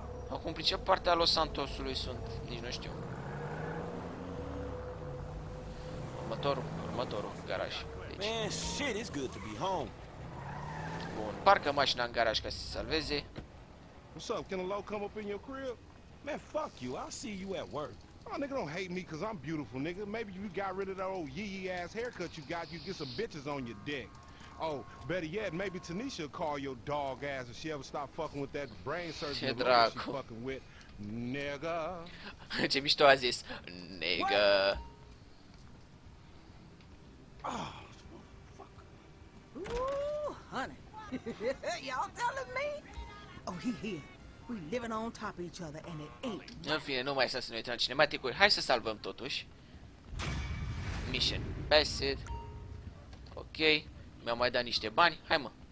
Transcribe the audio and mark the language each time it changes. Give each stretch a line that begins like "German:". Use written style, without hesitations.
Romanian: Acum prin ce parte a Los Santosului sunt? Nici nu știu. Următorul garaj. Deci. Bun, parcă mașina în garaj ca să se salveze.
English: What's up? Can a law come up in your crib? Man, fuck you. I'll see you at work. Oh, nigga, don't hate me because I'm beautiful, nigga. Maybe you got rid of that old yee-yee-ass haircut you got, you get some bitches on your dick. Oh, better yet, maybe Tanisha will call your dog ass if she ever stop fucking with that brain surgery she fucking with.
Romanian: Nigga. Ce mișto a zis. Nigga.
English: Oh, fuck. Ooh, honey. Y'all telling me? Oh, he here. We living on top of each other and it ain't.
Romanian: În fine, nu mai stai să ne uităm cinematicuri. Hai să salvăm totuși.
English: Mission passed.
Romanian: Ok. Mi-au mai dat niște bani. Hai mă.